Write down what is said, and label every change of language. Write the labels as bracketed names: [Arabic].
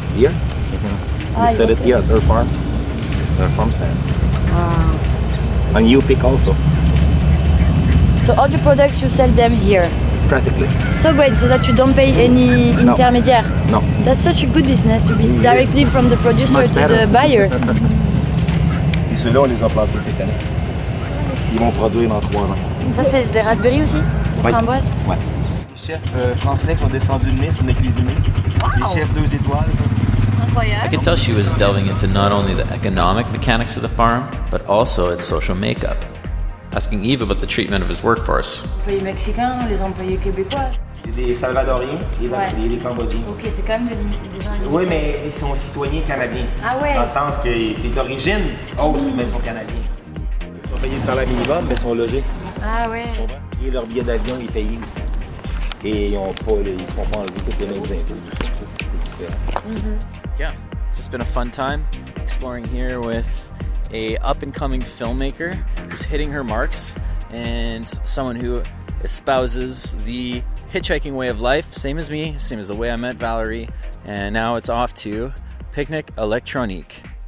[English] Here. Mm-hmm. You said it here at their farm. Their farm stand. Wow. And you pick also. So all the products, you sell them here? Practically. So great, so that you don't pay any intermediaire. No. That's such a good business, to be directly from the producer to the buyer. [French] Et ceux-là, on les emplace cette année. Ils vont produire dans 3 ans. Ça, c'est des raspberries aussi? Des framboises? Ouais. chef français qui ont descendu le Nice, on est cuisinier. Wow. Les chefs deux étoiles. [English] I could tell she was delving into not only the economic mechanics of the farm, but also its social makeup. Asking Eve about the treatment of his workforce. [French] Employés mexicains, les employés québécois. Des Salvadoriens et des Cambodgiens. Ok, c'est quand même des gens. Oui, mais ils sont citoyens canadiens. Ah ouais. Dans le sens que c'est d'origine autre, mais ils sont canadiens. Ils sont payés salaire minimum, mais ils sont logés. Ah ouais. Et leur billet d'avion est payé aussi. Et ils se font pas enlever toutes les mêmes impôts. [English] Yeah, so it's been a fun time exploring here with a up-and-coming filmmaker who's hitting her marks and someone who espouses the hitchhiking way of life, same as me, same as the way I met Valerie, and now it's off to Picnic Electronique.